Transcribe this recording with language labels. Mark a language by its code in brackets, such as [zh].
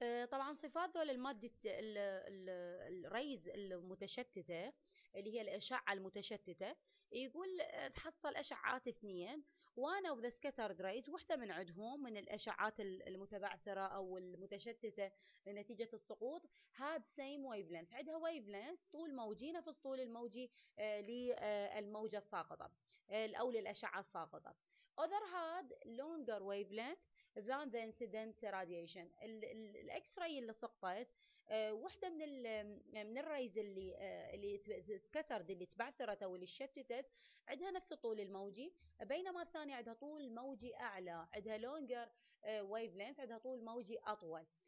[ar] طبعا صفات ذول المادة الريز المتشتتة اللي هي الأشعة المتشتتة يقول تحصل أشعات اثنين [en] one of the scattered rays [ar] وحدة من عدهم من الأشعات المتبعثرة أو المتشتتة نتيجة السقوط [en] هاد سيم ويف لينث [ar] عندها ويف لينث طول موجي نفس طول الموجي للموجة الساقطة أو للأشعة الساقطة. [en] Other had longer wavelength than the incident radiation. [ar] الإكس راي اللي سقطت وحدة من الرايز اللي سكترد اللي تبعثرت أو اللي شتتت عندها نفس الطول الموجي بينما الثانية عندها طول موجي أعلى عندها [en] longer wavelength [ar] عندها طول موجي أطول.